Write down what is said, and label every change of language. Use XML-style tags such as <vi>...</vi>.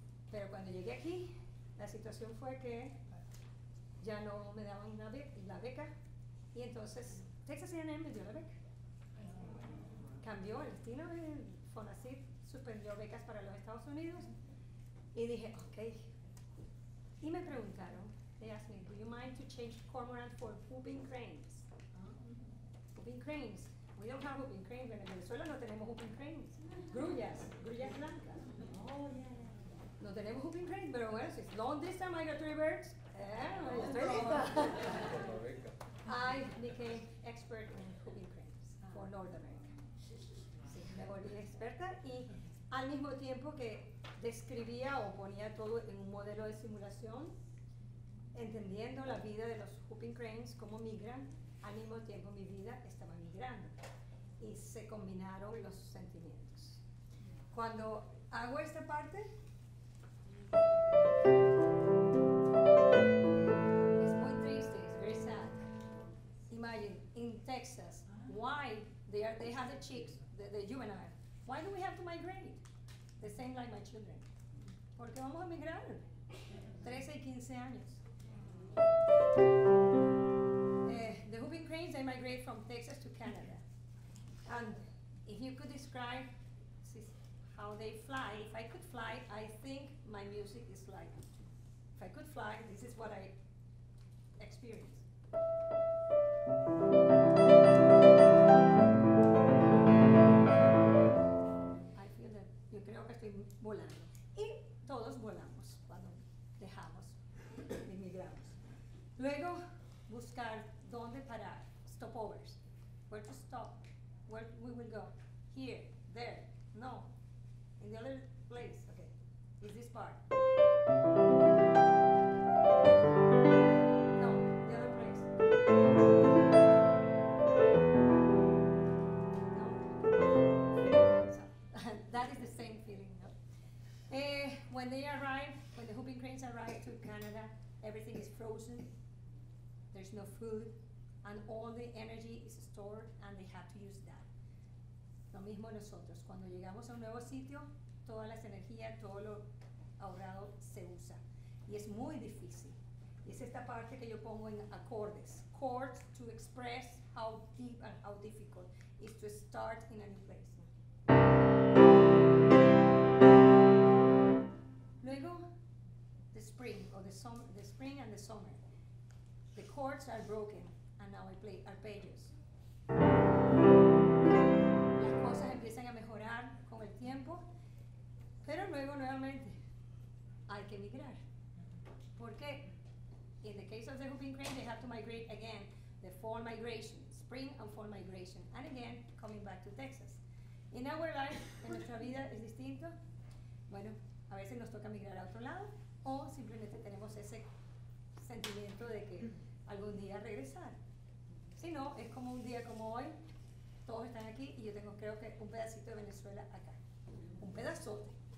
<es>Pero cuando llegué aquí, la situación fue que ya no me daban la beca. Y entonces, Texas A&M me dio la beca. Cambió el destino, el FONACYT suspendió becas para los Estados Unidos. Y dije, ok. Y me preguntaron,</es> <en>they asked me, do you mind to change cormorant for whooping cranes? Whooping cranes. We don't have whooping cranes.</en> <es>En Venezuela no tenemos whooping cranes. Grullas, grullas blancas. No tenemos whooping cranes, pero bueno, si es</es> <en>long distance migratory birds,</en> <es>estoy lista.</es> <en>I became expert in whooping cranes for North America.</en> <es>Sí, me volví experta y al mismo tiempo que describía o ponía todo en un modelo de simulación, entendiendo la vida de los whooping cranes, cómo migran, al mismo tiempo mi vida estaba migrando y se combinaron los sentimientos. Cuando hago esta parte, es muy triste, es</es> <en>very sad. Imagine, in Texas, why they have the chicks, the juvenile, why do we have to migrate? The same like my children.</en> <es>Porque vamos a migrar. 13 y 15 años.</es> <en>The whooping cranes, they migrate from Texas to Canada. And if you could describe how they fly, if I could fly, I think my music is like, if I could fly, this is what I experience. I feel that,</en> <es>yo creo que estoy volando. Y todos volamos cuando dejamos, emigramos. Luego, buscar dónde parar, stopovers.</es> <en>Where to stop, where we will go, here, there, no. In the other place, okay, is this part. No, the other place. No. So, that is the same feeling, no? When they arrive, when the whooping cranes arrive to Canada, everything is frozen, there's no food, and all the energy is stored, and they have to use that.</en> <es>Lo mismo nosotros, cuando llegamos a un nuevo sitio, todas las energías, todo lo ahorrado se usa. Y es muy difícil. Y es esta parte que yo pongo en acordes.</es> <en>Chords to express how deep and how difficult is to start in a new place. Luego, the spring, or the summer, the spring and the summer. The chords are broken, and now I play arpeggios.</en> <es>Las cosas empiezan a mejorar con el tiempo. Pero luego, nuevamente, hay que migrar. ¿Por qué?</es> <en>In the case of the whooping crane, they have to migrate again, the fall migration, spring and fall migration, and again, coming back to Texas. In our life,</en> <es>en nuestra vida, es distinto. Bueno, a veces nos toca migrar a otro lado, o simplemente tenemos ese sentimiento de que algún día regresar. Si no, es como un día como hoy, todos están aquí, y yo tengo, creo que, un pedacito de Venezuela acá. Un pedazote.</es>